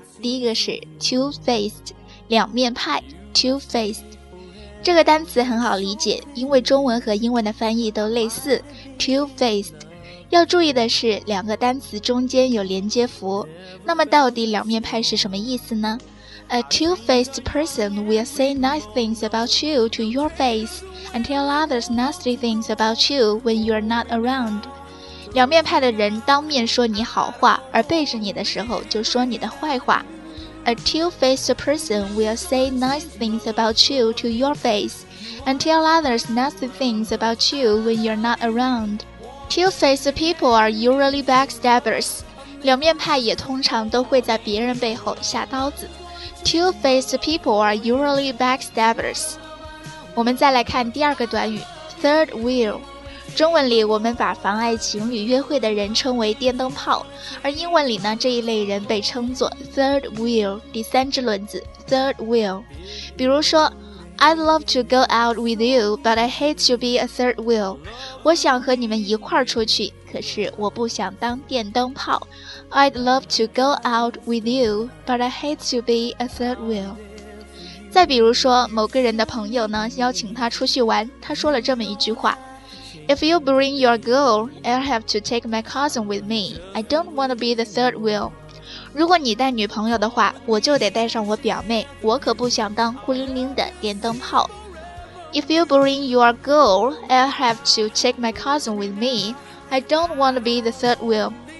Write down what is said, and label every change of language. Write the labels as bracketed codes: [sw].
[zh] 第一个是 two-faced， 两面派， two-faced。这个单词很好理解，因为中文和英文的翻译都类似 two-faced。要注意的是，两个单词中间有连接符。那么到底两面派是什么意思呢？ [en] A two-faced person will say nice things about you to your face and tell others nasty things about you when you're not around. [zh] 两面派的人当面说你好话，而背着你的时候就说你的坏话。 [en] A two-faced person will say nice things about you to your face and tell others nasty things about you when you're not around. Two-faced people are usually backstabbers. [zh] 两面派也通常都会在别人背后下刀子。 [en] Two-faced people are usually backstabbers. [zh] 我们再来看第二个短语 third wheel。中文里我们把妨碍情侣约会的人称为电灯泡，而英文里呢，这一类人被称作 third wheel， 第三只轮子 third wheel。比如说 [en] I'd love to go out with you but I hate to be a third wheel。 [zh] 我想和你们一块儿出去，可是我不想当电灯泡。 [en] I'd love to go out with you, but I hate to be a third wheel. [zh] 再比如说，某个人的朋友呢，邀请他出去玩，他说了这么一句话 [en] If you bring your girl, I'll have to take my cousin with me. I don't want to be the third wheel. [zh] 如果你带女朋友的话，我就得带上我表妹，我可不想当孤零零的电灯泡。 [en] If you bring your girl, I'll have to take my cousin with me. I don't want to be the third wheel.